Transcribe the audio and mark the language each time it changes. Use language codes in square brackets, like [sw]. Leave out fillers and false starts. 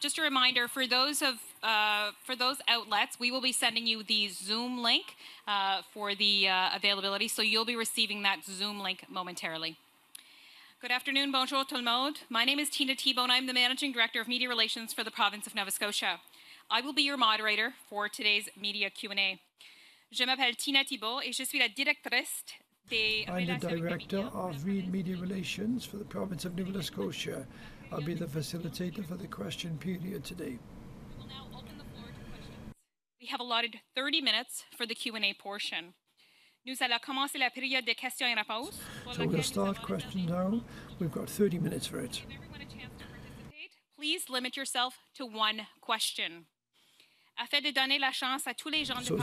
[en] Just a reminder, for those outlets, we will be sending you the Zoom link for the availability, so you'll be receiving that Zoom link momentarily. Good afternoon, [fr] bonjour tout le monde. [en] My name is Tina Thibault, and I'm the Managing Director of Media Relations for the province of Nova Scotia. I will be your moderator for today's media Q&A. [fr] Je m'appelle Tina Thibault, et je suis la directrice des... [en] I'm the Director of Media Relations for the province of Nova Scotia. I'll be the facilitator for the question period today. We will now open the floor to questions. We have allotted 30 minutes for the Q&A portion. [fr] Nous allons commencer la période de questions et réponses. [en] So we'll start questions now. We've got 30 minutes for it. Give everyone a chance to participate. Please limit yourself to one question. [fr] Afin de donner la chance à tous les gens de participer.